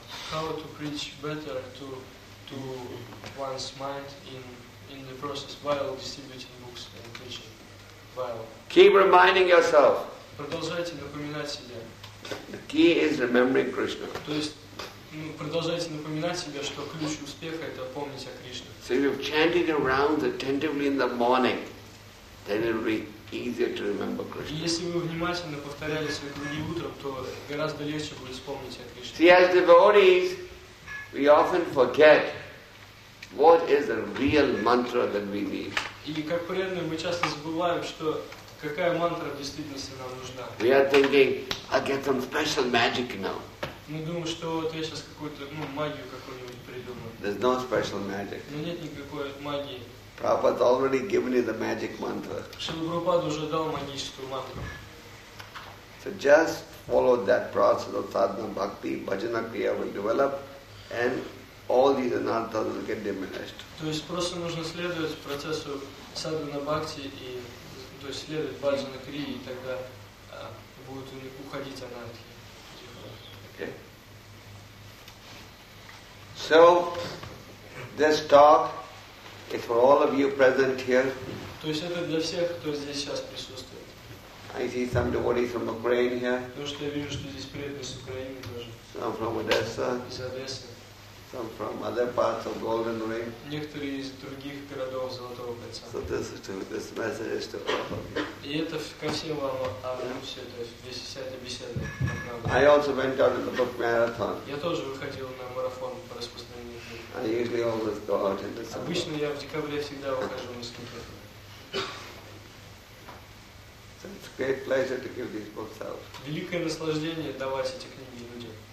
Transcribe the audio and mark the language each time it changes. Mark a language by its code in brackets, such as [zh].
[en] How to preach better to one's mind in the process while distributing books and preaching? Keep reminding yourself. [ru] Продолжайте напоминать себе. [en] The key is remembering Krishna. [ru] То есть, ну, продолжайте напоминать себе, что ключ успеха это помнить о Кришне. [en] So if you're chanting around attentively in the morning, then it will be easier to remember Krishna. [ru] Если вы внимательно повторяли свои круги утром, то гораздо легче будет вспомнить о Кришне. [en] See, as devotees, we often forget what is the real mantra that we need. [ru] И как преданные мы часто забываем, что какая мантра в действительности нам нужна. [en] We are thinking, I'll get some special magic now. [ru] Мы думаем, что вот я сейчас какую-то, ну, магию какую-нибудь придумаю. [en] There's no special magic. [ru] Но нет никакой магии. [en] Prabhupada already given you the magic mantra. [ru] Шрила Прабхупада уже дал магическую мантру. [en] So just follow that process of sadhana bhakti, bhajana kriya will develop, and all these anarthas will get diminished. [ru] То есть просто нужно следовать процессу садхана бхакти и то есть следовать баджана кри, и тогда будут уходить анархи. [en] Okay. So this talk is for all of you present here. [ru] То есть это для всех, кто здесь сейчас присутствует. [en] I see some devotees from Ukraine here. [ru] То, что я вижу, что здесь преданные с Украины тоже. [en] Some from Odessa. [ru] Из Одессы. [en] Some from other parts of Golden Ring. [ru] Некоторые из других городов Золотого кольца. [en] So this message is to [ru] И это ко всем вам, а все это весь вся беседа. [en] I also went out in the book marathon. [ru] Я тоже выходил на марафон по распространению книг. [en] I usually always go out in the summer. [ru] Обычно я в декабре всегда выхожу на скидку. [en] So it's a great pleasure to give these books out. [ru] Великое наслаждение давать эти книги людям.